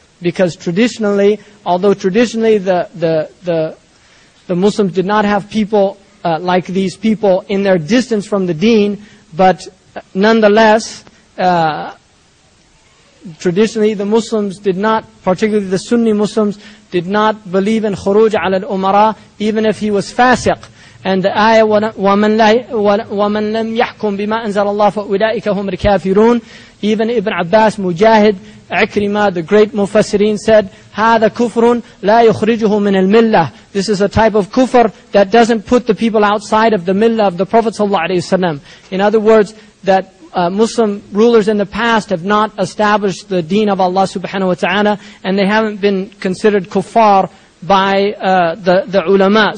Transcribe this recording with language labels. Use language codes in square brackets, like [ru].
[en] Because traditionally, although traditionally the Muslims did not have people like these people in their distance from the deen, but nonetheless, traditionally the Muslims did not, particularly the Sunni Muslims, did not believe in [ar] khuruj ala al-umara, [en] even if he was fasiq. And the ayah, [ar] وَمَنْ لَمْ يَحْكُمْ بِمَا أَنزَلَ اللَّهِ فَأُولَٰئِكَ هُمْ الْكَافِرُونَ. [en] Even Ibn Abbas, Mujahid, Ikrimah, the great Mufassirin said, [ar] هَذَا كُفْرٌ لَا يُخْرِجُهُ مِنَ الْمِلَّةِ. [en] This is a type of kufr that doesn't put the people outside of the millah of the Prophet ﷺ. In other words, that Muslim rulers in the past have not established the deen of Allah subhanahu wa ta'ala, and they haven't been considered kuffar by the ulama.